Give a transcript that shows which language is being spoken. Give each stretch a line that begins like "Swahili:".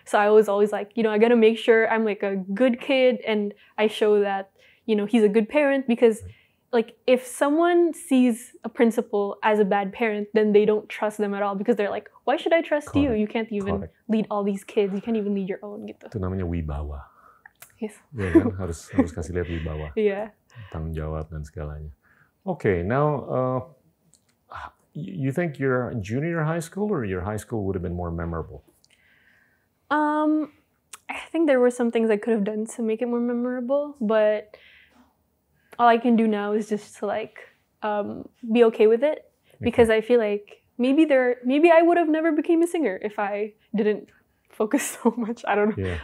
English: So I was always like, you know, I got to make sure I'm like a good kid and I show that, you know, he's a good parent because... Like, if someone sees a principal as a bad parent, then they don't trust them at all because they're like, why should I trust you? You can't even lead all these kids. You can't even lead your own. Gitu.
Indonesian: Itu namanya wibawa.
English: Yes.
Indonesian: Ya kan? Harus kasih lihat wibawa.
English: Yeah.
Indonesian: Tanggung jawab dan segalanya.
English: Okay, now you think your junior high school or your high school would have been more memorable? I think there were some things I could have done to make it more memorable, but all I can do now is just to like be okay with it, because I feel like maybe I would have never became a singer if I didn't focus so much. I don't know. Yeah.